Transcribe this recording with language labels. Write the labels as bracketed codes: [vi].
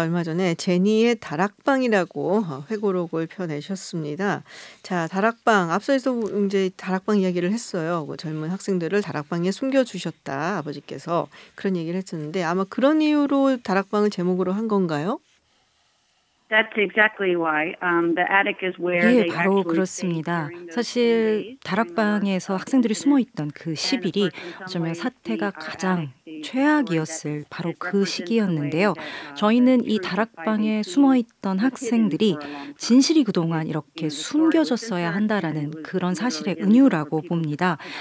[ko] 얼마 전에 제니의 다락방이라고 회고록을 펴내셨습니다. 자, 다락방 앞서서 이제 다락방 이야기를 했어요. 그 젊은 학생들을 다락방에 숨겨주셨다 아버지께서 그런 얘기를 했었는데 아마 그런 이유로 다락방을 제목으로 한 건가요? [en] That's exactly why the attic is where they actually. [ko] 예, 바로 그렇습니다. 사실 다락방에서 학생들이 숨어 있던 그 10일이 어쩌면 사태가 가장 최악이었을 바로 그 시기였는데요. 저희는 이 다락방에 숨어 있던 학생들이 진실이 그동안 이렇게 숨겨졌어야 한다라는 그런 사실의 은유라고 봅니다.